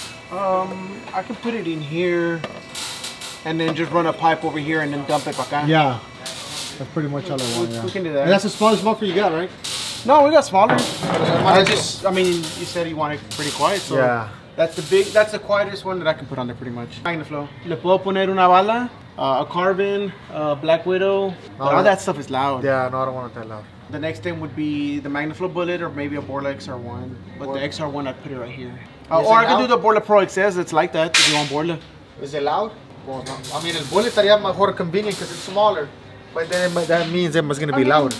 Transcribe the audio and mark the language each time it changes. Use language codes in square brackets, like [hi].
[en] Put it in here and then just run a pipe over here and then dump it back on. Yeah, that's pretty much all I want. We can do that. And that's the smallest muffler you got, right? No, we got smaller. I mean, you said you want it pretty quiet, so yeah, that's the quietest one that I can put on there pretty much. Hang the flow. [es] Le puedo poner una bala, a carbon, a black widow, [en] but all that stuff is loud. Yeah, no, I don't want it that loud. The next thing would be the Magnaflow bullet or maybe a Borla XR1. But the XR1, I'd put it right here. Or I could do the Borla Pro XS. It's like that if you want Borla. Is it loud? Well, I mean, the bullet [es] estaría mejor [en] convenient because it's smaller. But then that means it was going to be loud.